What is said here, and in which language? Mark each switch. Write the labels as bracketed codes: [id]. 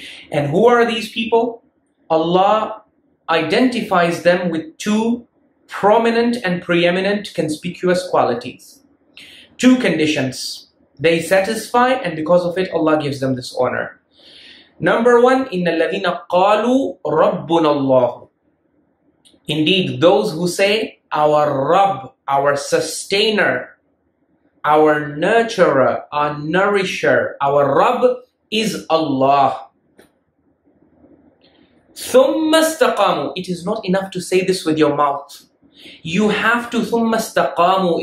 [en] And who are these people? Allah identifies them with two prominent and preeminent conspicuous qualities. Two conditions. They satisfy, and because of it, Allah gives them this honor. Number one, [ar] إِنَّ الَّذِينَ قَالُوا رَبُّنَ اللَّهُ. [en] Indeed, those who say, our Rabb, our sustainer, our nurturer, our nourisher, our Rabb is Allah. [ar] ثُمَّ اسْتَقَامُوا. [en] It is not enough to say this with your mouth. You have to [ar] ثُمَّ اسْتَقَامُوا.